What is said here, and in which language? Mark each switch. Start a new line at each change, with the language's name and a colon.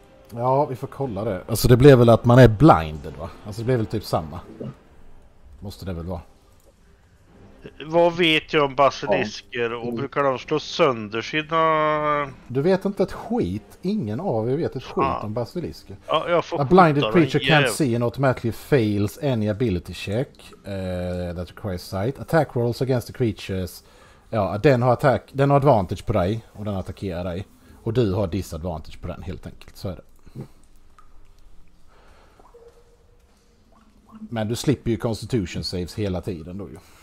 Swedish: Ja, vi får kolla det. Alltså det blev väl att man är blinded, va? Alltså det blev väl typ samma. Måste det väl vara. Vad vet jag om basilisker och brukar de slå sönder sina... Du vet inte ett skit. Ingen av er vet ett skit om basilisker. Ja, jag får
English: a blinded creature can't see and automatically fails any ability check that requires sight. Attack rolls against the creatures.
Swedish: Ja, den har attack, den har advantage på dig och den attackerar dig. Och du har disadvantage på den helt enkelt. Så är det. Men du slipper ju constitution saves hela tiden då ju.